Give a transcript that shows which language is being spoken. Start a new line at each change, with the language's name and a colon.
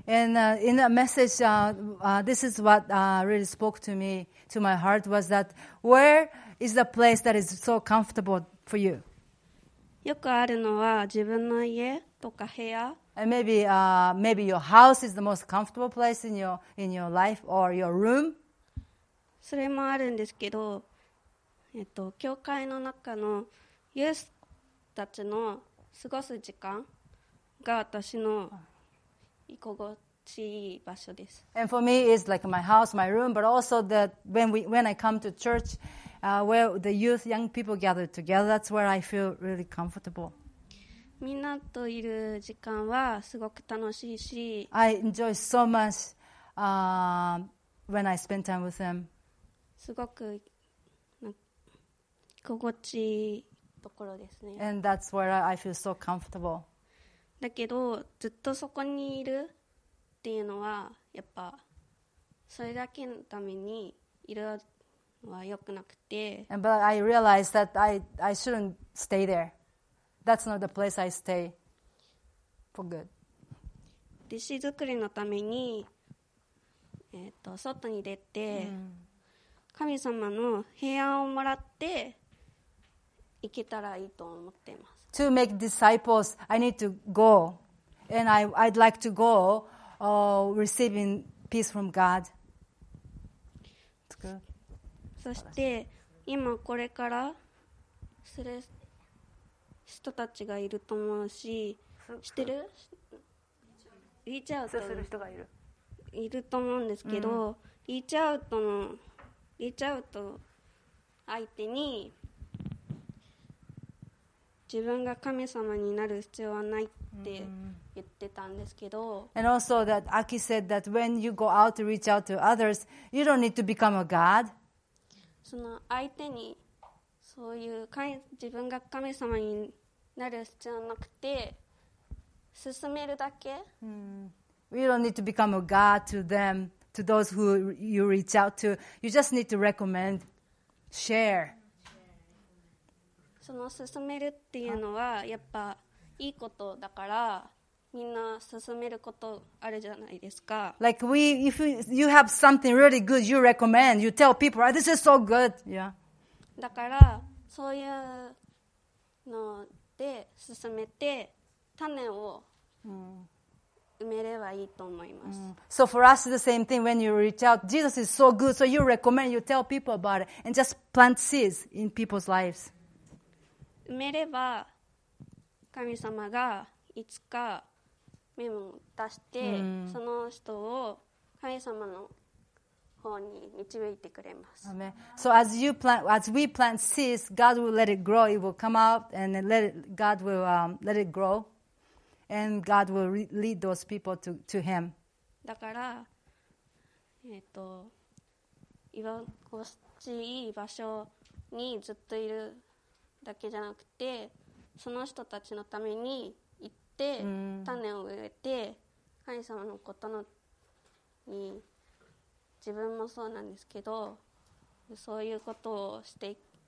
English: in a message, this is what、really spoke to me, to my heart, was that where is the place that is so comfortable for you?
Japanese: よくあるのは自分の家とか部屋。
English: And maybe, maybe your house is the most comfortable place in your life or your room.
Japanese: それもあるんですけど、教会の中のユースたちの過ごす時間が私の居心地いい場所です。
English: And for me, it's like my house, my room, but also that when I come to church, where the youth, young people gather together, that's where I feel really comfortable.
Japanese: みんなといる時間はすごく楽しいし、
English: I enjoy so much, when I spend time with them.
Japanese: すごく居心地いいところですね。
English: And that's where I feel so comfortable.
Japanese: だけどずっとそこにいるっていうのはやっぱそれだけのためにいるのは良くなくて。
English: But I realized that I shouldn't stay there. That's not the place I stay for good.
Japanese: 弟子作りのために外に出て、神様の平安をもらって行けたらいいと思っています。
English: To make disciples, I need to go. And I'd like to go, receiving peace from God.
Japanese: そして、今これからする人たちがいると思うし、知ってる？リーチアウトする人がいる。いると思うんですけど、リーチアウトの、リーチアウト相手に、自分が神様になる必要はないって言ってたんですけど、
English: And also that Aki said that when you go out to reach out to others, you don't need to become a god.
Japanese: その相手にそういう自分が神様になる必要なくて進めるだけ。
English: We don't need to become a god to them, to those who you reach out to. You just need to recommend, share.
Japanese: その進めるっていうのはやっぱいいことだからみんな進めることあるじゃないですか。
English: Like we, if you have something really good, you recommend, you tell people, this is so good. Yeah.
Japanese: だからそういうので進めて種を埋めればいいと思います。 Mm.
English: So for us, the same thing. When you reach out, Jesus is so good. So you recommend, you tell people about it, and just plant seeds in people's lives.
Japanese: 埋めれば神様がいつか芽を出して、mm. その人を神様の方に導いてくれます。
English: Amen. So as you plant, as we plant seeds, God will let it grow. It will come out, and let it, God will let it grow. And God will lead those people to Him.
Japanese: だから、居心地いい場所にずっといるだけじゃなくて、その人たちのために行って、mm. 種を植えて、神様のことのに自分もそうなんですけど、そういうことをしていく。